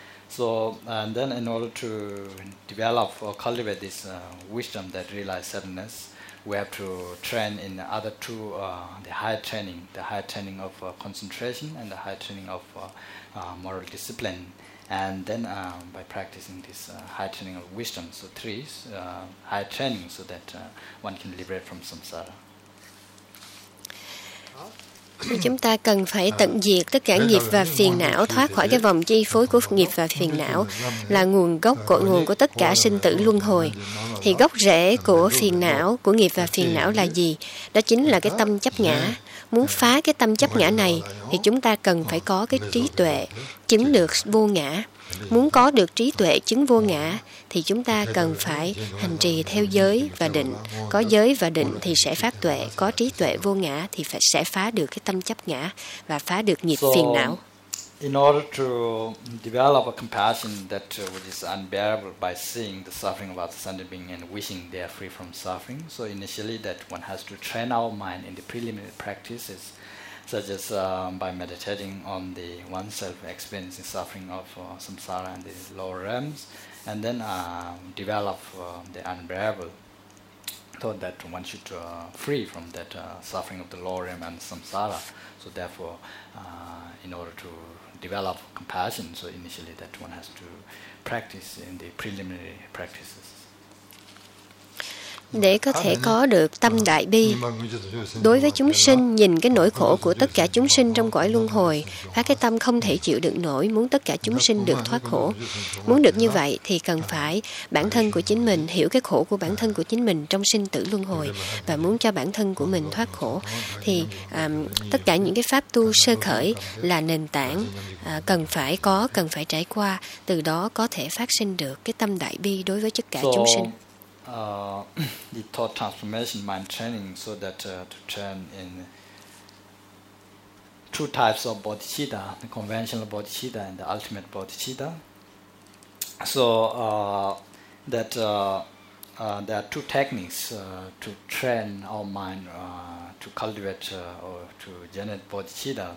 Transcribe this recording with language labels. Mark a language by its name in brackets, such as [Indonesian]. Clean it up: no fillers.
[English] So, and then in order to develop or cultivate this wisdom that realize suddenness, we have to train in the other two, the higher training of concentration and the higher training of moral discipline. And then by practicing this higher training of wisdom, so three is higher training, so that one can liberate from samsara. [Vietnamese] Chúng ta cần phải tận diệt tất cả nghiệp và phiền não, thoát khỏi cái vòng chi phối của nghiệp và phiền não, là nguồn gốc cội nguồn của tất cả sinh tử luân hồi. Thì gốc rễ của phiền não, của nghiệp và phiền não là gì? Đó chính là cái tâm chấp ngã. Muốn phá cái tâm chấp ngã này thì chúng ta cần phải có cái trí tuệ chứng được vô ngã. Muốn có được trí tuệ chứng vô ngã thì chúng ta cần phải hành trì theo giới và định. Có giới và định thì sẽ phát tuệ, có trí tuệ vô ngã thì phải sẽ phá được cái tâm chấp ngã và phá được nghiệp phiền não. [English] In order to develop a compassion that which is unbearable by seeing the suffering of other sentient beings and wishing they are free from suffering, so initially that one has to train our mind in the preliminary practices, such as by meditating on the oneself experiencing suffering of samsara and the lower realms, and then develop the unbearable thought that one should free from that suffering of the lower realm and samsara. So therefore, in order to develop compassion, so initially that one has to practice in the preliminary practices. [Vietnamese] Để có thể có được tâm đại bi đối với chúng sinh, nhìn cái nỗi khổ của tất cả chúng sinh trong cõi luân hồi, phát cái tâm không thể chịu đựng nổi, muốn tất cả chúng sinh được thoát khổ. Muốn được như vậy thì cần phải bản thân của chính mình hiểu cái khổ của bản thân của chính mình trong sinh tử luân hồi, và muốn cho bản thân của mình thoát khổ thì tất cả những cái pháp tu sơ khởi là nền tảng cần phải trải qua, từ đó có thể phát sinh được cái tâm đại bi đối với tất cả chúng sinh. [English] The thought transformation mind training, so that to train in two types of bodhicitta, the conventional bodhicitta and the ultimate bodhicitta. So there are two techniques to train our mind to cultivate or to generate bodhicitta.